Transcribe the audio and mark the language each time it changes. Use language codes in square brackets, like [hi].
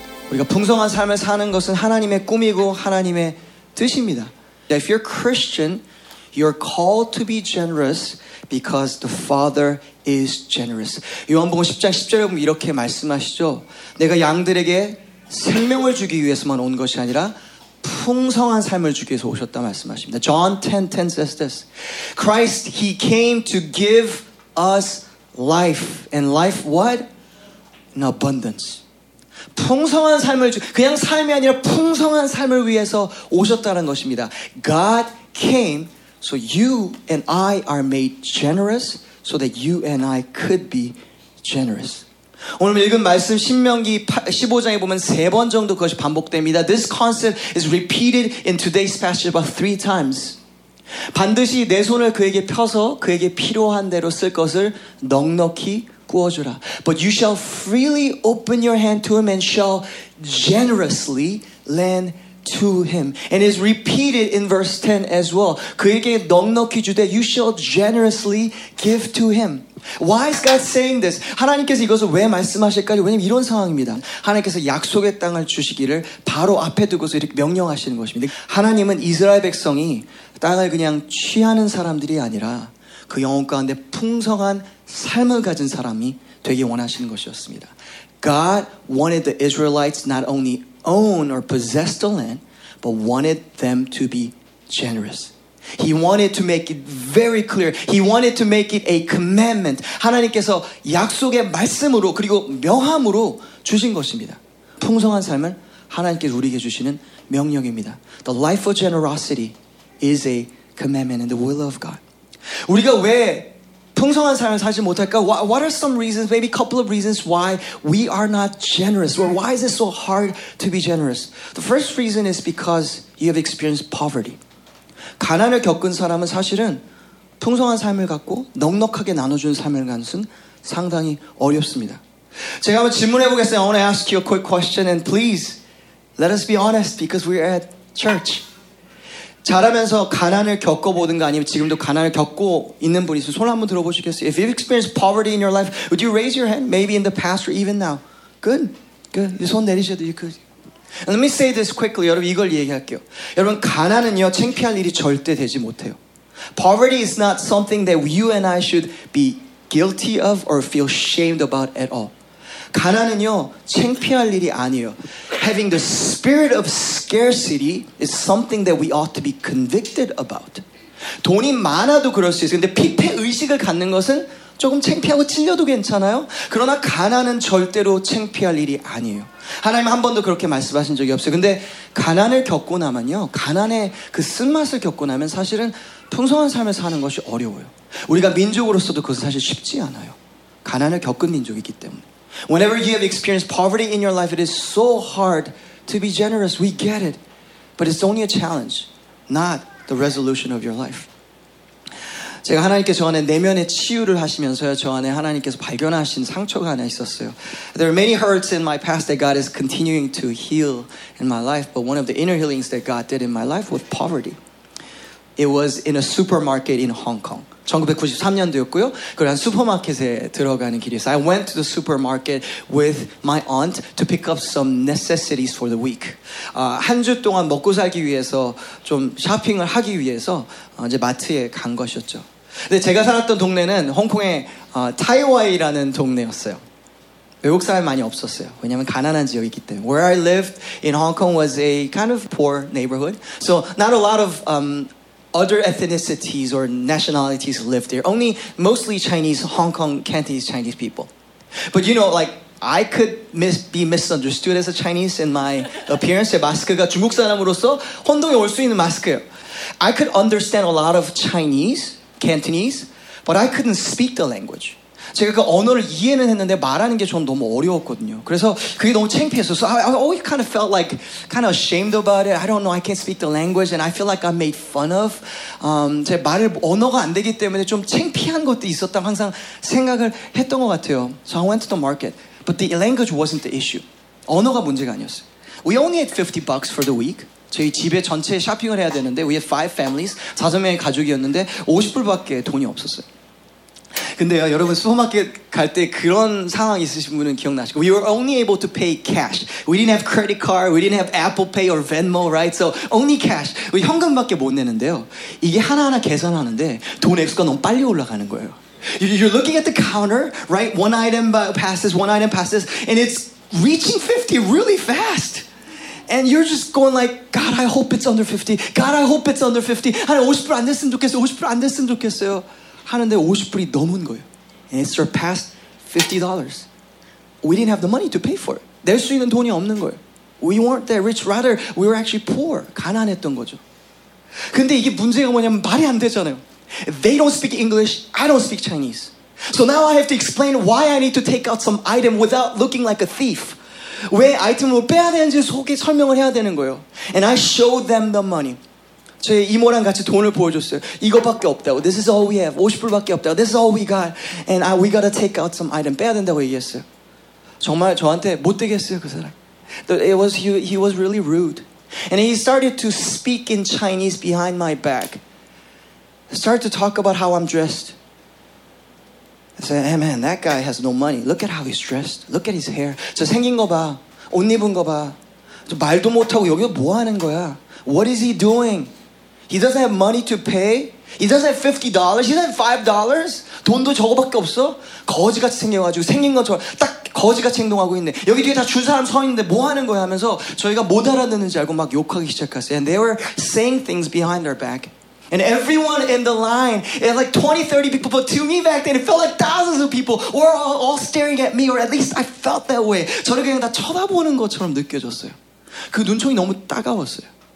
[ko] 우리가 풍성한 삶을 사는 것은 하나님의 꿈이고 하나님의 뜻입니다. [en] If you're Christian, you're called to be generous because the Father is generous. [ko] 요한복음 10장 10절에 보면 이렇게 말씀하시죠. 내가 양들에게 생명을 주기 위해서만 온 것이 아니라 풍성한 삶을 주기 위해서 오셨다 말씀하십니다. [en] John 10:10 says this. Christ, he came to give us life. And life what? In abundance. [ko] 풍성한 삶을 주 그냥 삶이 아니라 풍성한 삶을 위해서 오셨다는 것입니다. [en] God came so you and I are made generous so that you and I could be generous. [ko] 오늘 읽은 말씀 신명기 15장에 보면 세 번 정도 그것이 반복됩니다. [en] This concept is repeated in today's passage about three times. [ko] 반드시 내 손을 그에게 펴서 그에게 필요한 대로 쓸 것을 넉넉히 꾸어주라. [en] But you shall freely open your hand to him and shall generously lend to him. And it's repeated in verse 10 as well. [ko] 그에게 넉넉히 주되 [en] you shall generously give to him. Why is God saying this? [ko] 하나님께서 이것을 왜 말씀하실까요? 왜냐하면 이런 상황입니다. 하나님께서 약속의 땅을 주시기를 바로 앞에 두고서 이렇게 명령하시는 것입니다. 하나님은 이스라엘 백성이 땅을 그냥 취하는 사람들이 아니라 그 영혼 가운데 풍성한 삶을 가진 사람이 되기 원하시는 것이었습니다. [en] God wanted the Israelites not only own or possess the land, but wanted them to be generous. He wanted to make it very clear. He wanted to make it a commandment. [ko] 하나님께서 약속의 말씀으로 그리고 명함으로 주신 것입니다. 풍성한 삶을 하나님께서 우리에게 주시는 명령입니다. [en] The life of generosity is a commandment in the will of God. [ko] 우리가 왜 풍성한 삶을 살지 못할까? [en] What are some reasons, maybe a couple of reasons why we are not generous? Or why is it so hard to be generous? The first reason is because you have experienced poverty. [ko] 가난을 겪은 사람은 사실은 풍성한 삶을 갖고 넉넉하게 나눠주는 삶을 가는 것은 상당히 어렵습니다. 제가 한번 질문해 보겠습니다. [en] I want to ask you a quick question and please let us be honest because we are at church. [ko] 자라면서 가난을 겪어보든가 아니면 지금도 가난을 겪고 있는 분이 있으면 손 한번 들어보시겠어요? [en] If you've experienced poverty in your life, would you raise your hand? Maybe in the past or even now. Good, good. [ko] 손 내리셔도 [en] you could. And let me say this quickly. [ko] 여러분 이걸 얘기할게요. 여러분 가난은요 창피할 일이 절대 되지 못해요. [en] Poverty is not something that you and I should be guilty of or feel shamed about at all. [ko] 가난은요 창피할 일이 아니에요. [en] Having the spirit of scarcity is something that we ought to be convicted about. [ko] 돈이 많아도 그럴 수 있어요. 근데 피폐 의식을 갖는 것은 조금 창피하고 찔려도 괜찮아요. 그러나 가난은 절대로 창피할 일이 아니에요. 하나님 한 번도 그렇게 말씀하신 적이 없어요. 근데 가난을 겪고 나면요 가난의 그 쓴맛을 겪고 나면 사실은 풍성한 삶을 사는 것이 어려워요. 우리가 민족으로서도 그것은 사실 쉽지 않아요. 가난을 겪은 민족이기 때문에 [en] Whenever you have experienced poverty in your life, it is so hard to be generous. We get it. But it's only a challenge, not the resolution of your life. [ko] 제가 하나님께 저 안에 내면의 치유를 하시면서요, 저 안에 하나님께서 발견하신 상처가 하나 있었어요. [en] There are many hurts in my past that God is continuing to heal in my life, but one of the inner healings that God did in my life was poverty. It was in a supermarket in Hong Kong. [ko] 1993년도였고요. 그리고 한 슈퍼마켓에 들어가는 길이었어요. [en] I went to the supermarket with my aunt to pick up some necessities for the week. [ko] 한 주 동안 먹고 살기 위해서 좀 쇼핑을 하기 위해서 이제 마트에 간 것이었죠. 근데 제가 살았던 동네는 홍콩의 타이와이라는 동네였어요. 외국 사람이 많이 없었어요. 왜냐하면 가난한 지역이기 때문에. [en] Where I lived in Hong Kong was a kind of poor neighborhood. So not a lot of other ethnicities or nationalities live there. Only mostly Chinese, Hong Kong, Cantonese Chinese people. But you know, like, I could be misunderstood as a Chinese in my appearance. [ko] 제 마스크가 중국 사람으로서 혼동이 올 수 있는 마스크예요. [en] I could understand a lot of Chinese, Cantonese, but I couldn't speak the language. [ko] 제가 그 언어를 이해는 했는데 말하는 게 좀 너무 어려웠거든요. 그래서 그게 너무 창피했어요. [en] So I always kind of felt like kind of ashamed about it. I don't know. I can't speak the language and I feel like I'm made fun of. [ko] 제 말을 언어가 안 되기 때문에 좀 창피한 것도 있었다고 항상 생각을 했던 것 같아요. [en] So I went to the market. But the language wasn't the issue. [ko] 언어가 문제가 아니었어요. [en] We only had 50 bucks for the week. [ko] 저희 집에 전체 쇼핑을 해야 되는데 [en] we had 5 families. [ko] 5명의 가족이었는데 50불밖에 돈이 없었어요. 근데요, 여러분 슈퍼마켓 갈 때 그런 상황 있으신 분은 기억나시고 [en] We were only able to pay cash. We didn't have credit card. We didn't have Apple Pay or Venmo, right? So only cash. [ko] 현금밖에 못 내는데요. 이게 하나하나 계산하는데 돈 액수가 너무 빨리 올라가는 거예요. [en] You're looking at the counter, right? One item passes, and it's reaching 50 really fast. And you're just going like, God, I hope it's under 50. God, I hope it's under 50. [ko] 아니, 50불 안 됐으면 좋겠어요. 50불 안 됐으면 좋겠어요. 하는데 50불이 넘은 거예요. [en] And it surpassed $50. We didn't have the money to pay for it. [ko] 낼 수 있는 돈이 없는 거예요. [en] We weren't that rich. Rather, we were actually poor. [ko] 가난했던 거죠. 근데 이게 문제가 뭐냐면 말이 안 되잖아요. [en] They don't speak English. I don't speak Chinese. So now I have to explain why I need to take out some item without looking like a thief. [ko] 왜 아이템을 빼야 되는지 속에 설명을 해야 되는 거예요. [en] And I showed them the money. [ko] 제 이모랑 같이 돈을 보여줬어요. 이것밖에 없다고. [en] This is all we have. [ko] 50불밖에 없다고. [en] This is all we got. And we gotta take out some item. [ko] 빼야 된다고 얘기했어요. 정말 저한테 못 되겠어요, 그 사람. [en] He was really rude. And he started to speak in Chinese behind my back. Started to talk about how I'm dressed. I said, hey man, that guy has no money. Look at how he's dressed. Look at his hair. [ko] 저 생긴 거 봐. 옷 입은 거 봐. 저 말도 못하고 여기서 뭐 하는 거야? [en] What is he doing? He doesn't have money to pay. He doesn't have $50. He doesn't have $5. [ko] 돈도 저거밖에 없어? 거지같이 생겨가지고 생긴 것처럼 딱 거지같이 행동하고 있네. 여기 뒤에 다 준 사람 서 있는데 뭐 하는 거야? 하면서 저희가 못 알아듣는지 알고 막 욕하기 시작했어요. [en] And they were saying things behind their back. And everyone in the line, it like 20, 30 people, but to me back then, it felt like thousands of people were all staring at me, or at least I felt that way. [ko] 저를 그냥 다 쳐다보는 것처럼 느껴졌어요. 그 눈총이 너무 따가웠어요.